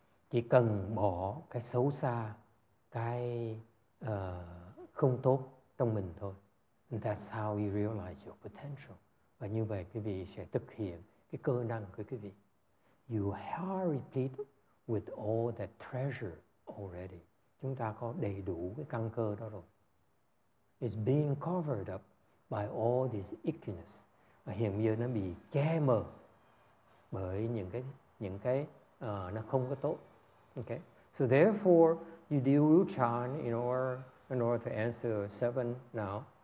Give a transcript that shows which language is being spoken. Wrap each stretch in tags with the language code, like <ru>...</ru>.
<vi>Chỉ cần bỏ cái xấu xa, cái không tốt trong mình thôi.</vi> <en>And that's how you realize your potential.</en> <vi>Và như vậy quý vị sẽ thực hiện cái cơ năng của quý vị.</vi> <en>You are replete with all that treasure already.</en> <vi>Chúng ta có đầy đủ cái căn cơ đó rồi.</vi> <en>It's being covered up by all this ickiness.</en> <vi>Và hiện giờ nó bị che mờ bởi những cái nó không có tốt. Okay.</vi> <en>So therefore, you do Uchan in order to answer seven now.</en>